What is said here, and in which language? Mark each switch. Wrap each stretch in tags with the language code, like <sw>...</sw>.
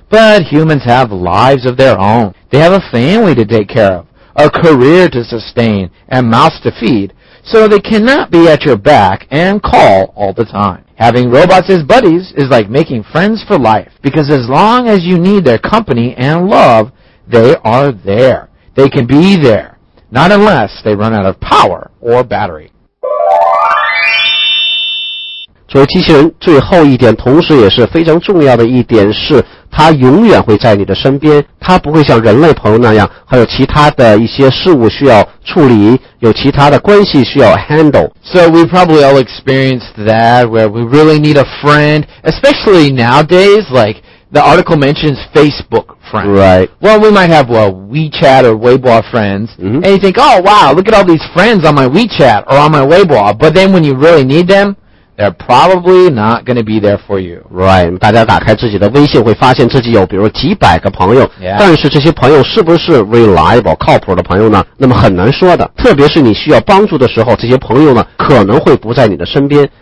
<en>But humans have lives of their own. They have a family to take care of, a career to sustain, and mouths to feed, so they cannot be at your back and call all the time. Having robots as buddies is like making friends for life, because as long as you need their company and love, they are there. They can be there, not unless they run out of power or battery.</en> <zh>作为机器人最后一点，同时也是非常重要的一点是，它永远会在你的身边，它不会像人类朋友那样，还有其他的一些事物需要处理，有其他的关系需要 handle.</zh> <en>So we probably all experienced that, where we really need a friend, especially nowadays, like the article mentions Facebook friends. Right. Well, we might have, well, WeChat or Weibo friends, and you think, oh, wow, look at all these friends on my WeChat or on my Weibo, but then when you really need them,They're probably not going to be there for you. Right.</en> <zh>大家打开自己的微信会发现自己有比如几百个朋友、但是这些朋友是不是 reliable, 靠谱的朋友呢？那么很难说的。特别是你需要帮助的时候，这些朋友呢可能会不在你的身边。</zh>